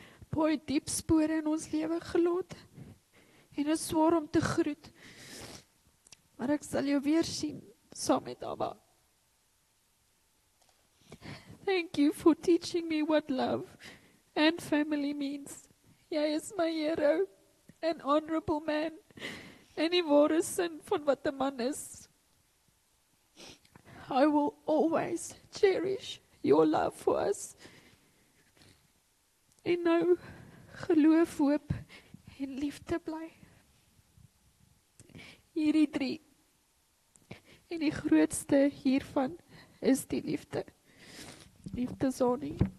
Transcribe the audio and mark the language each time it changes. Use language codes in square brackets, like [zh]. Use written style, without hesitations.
[af] Pa het diep spore in ons lewe gelaat, en is swaar om te groet, maar ek sal jou weer sien, saam met Abba. [en] Thank you for teaching me what love and family means. [af] Jy is my hero, [en] an honorable man, [af] en die ware sin van wat 'n man is. [en] I will always cherish your love for us. [af] En nou geloof, hoop en liefde bly. Hierdie drie. En die grootste hiervan is die liefde. Liefde Zoni.